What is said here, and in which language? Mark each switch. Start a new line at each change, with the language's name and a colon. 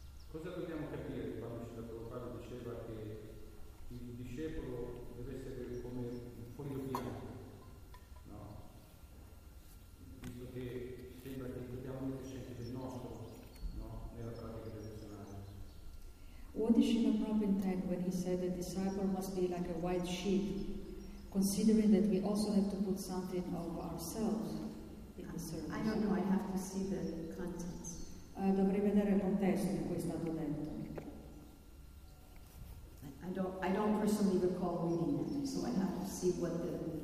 Italian: Cosa dobbiamo capire quando Srila Prabhupada diceva che il discepolo deve essere come un foglio bianco, no? Visto che sembra che dobbiamo mettere il nostro, no? Nella pratica personale.
English: What did Srila Prabhupada intend when he said the disciple must be like a white sheep, considering that we also have to put something of ourselves in the service? I don't know, I have to see the content.
Italian: Dovrei vedere il contesto in cui è stato detto.
English: I don't personally recall reading it, so I have to see what the